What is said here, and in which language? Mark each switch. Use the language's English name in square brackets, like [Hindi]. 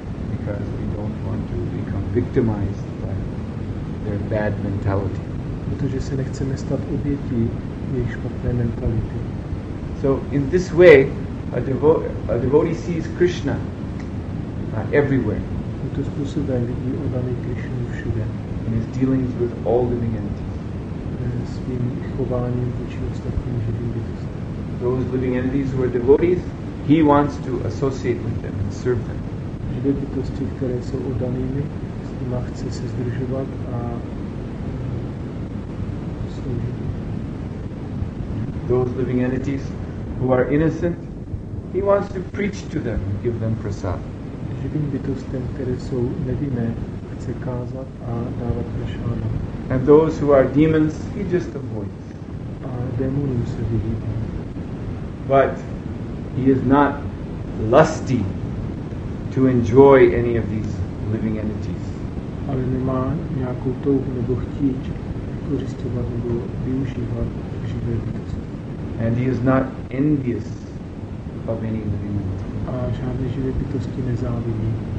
[English] Because we don't want to become victimized by their bad mentality. [Czech] Protože se nechceme stát obětí jejich špatné mentality. [English] So in this way, a devotee sees Krishna everywhere. [Czech] Tímto způsobem vidí oddaný Krishnu všude. [English] In his dealings with all living entities. [Czech] Svým chováním vůči ostatním živým bytostem. [English] Those living entities who are devotees, he wants to associate with them and serve them. [Czech] Živé bytosti, které jsou oddanými, s nimi chce se sdružovat a sloužit. [English] Those living entities who are innocent, he wants to preach to them and give them prasad. [Czech] Živým bytostem, které jsou nevinné, chce kázat a dávat prasádu. [English] And those who are demons, he just avoids. [Czech] A démonům se vyhýbá. [English] But he is not lusty to enjoy any of these living entities. [Czech] Ale nemá nějakou touhu nebo chtíč vykořisťovat nebo využívat živé bytosti. [English] And he is not envious of any living entity. [Czech] a žádné živé bytosti nezávidí.